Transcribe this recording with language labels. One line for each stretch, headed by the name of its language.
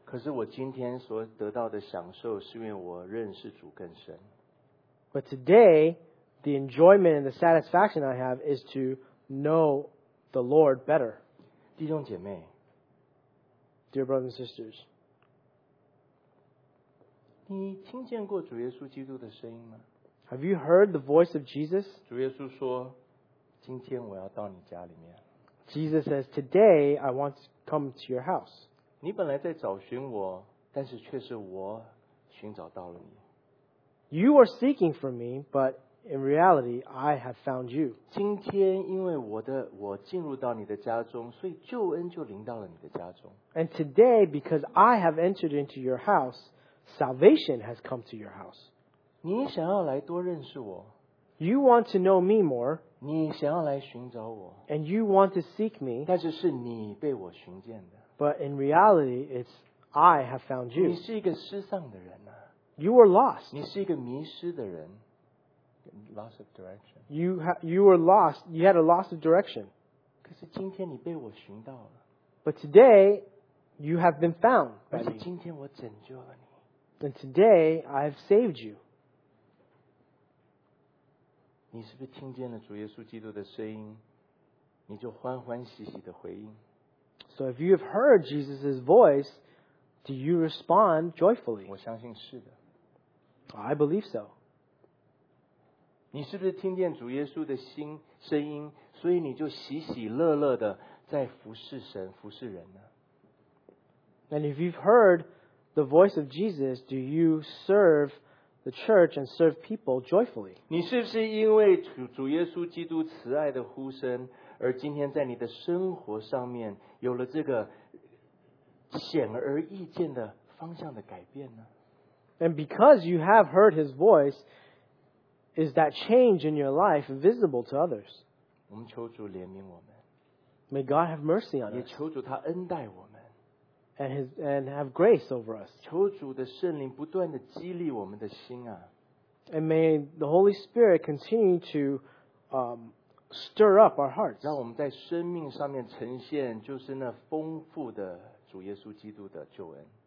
Chinese: 可是我今天所得到的享受是因为我认识主更深。
English: But today, the enjoyment and the satisfaction I have is to know the Lord better.
Chinese: 弟兄姐妹，
English: Dear brothers and sisters,
Chinese: 你听见过主耶稣基督的声音吗？
English: Have you heard the voice of Jesus?
Chinese: 主耶稣说，今天我要到你家里面。
English: Jesus says, today I want to come to your house.
Chinese: 你本来在找寻我，但是却是我寻找到了你。
English: You are seeking for me, but in reality, I have found you.
Chinese: 今天因为我进入到你的家中，所以救恩就临到了你的家中。
English: And today, because I have entered into your house, salvation has come to your house.
Chinese: 你想要来多认识我。
English: You want to know me more.
Chinese: 你想要来寻找我。
English: And you want to seek me.
Chinese: 但是是你被我寻见的。
English: But in reality, it's I have found you.
Chinese: 你是一个失丧的人啊。
English: You were lost.
Chinese: 你是一个迷失的人。
English: Loss of direction. You were lost. You had a loss of direction.
Chinese: 可是今天你被我寻到了。
English: But today, you have been found.
Chinese: 而且今天我拯救了你。
English: And today, I have saved you.
Chinese: 你是不是听见了主耶稣基督的声音，你就欢欢喜喜的回应？
English: So if you have heard Jesus' voice, do you respond joyfully?
Chinese: 我相信是的。
English: I believe so.
Chinese: 你是不是听见主耶稣的心声音，所以你就喜喜乐乐的在服侍神、服侍人呢？
English: And if you've heard the voice of Jesus, do you serve the church and serve people joyfully?
Chinese: 你是不是因为主耶稣基督慈爱的呼声，而今天在你的生活上面有了这个显而易见的方向的改变呢？
English: And because you have heard his voice, is that change in your life visible to others?
Chinese: 我们求主怜悯我们。
English: May God have mercy on us.
Chinese: 也求主他恩待我们。
English: And have grace over us.
Chinese: 求主的圣灵不断地激励我们的心啊。
English: And may the Holy Spirit continue to stir up our hearts.
Chinese: 让我们在生命上面呈现就是那丰富的主耶稣基督的救恩。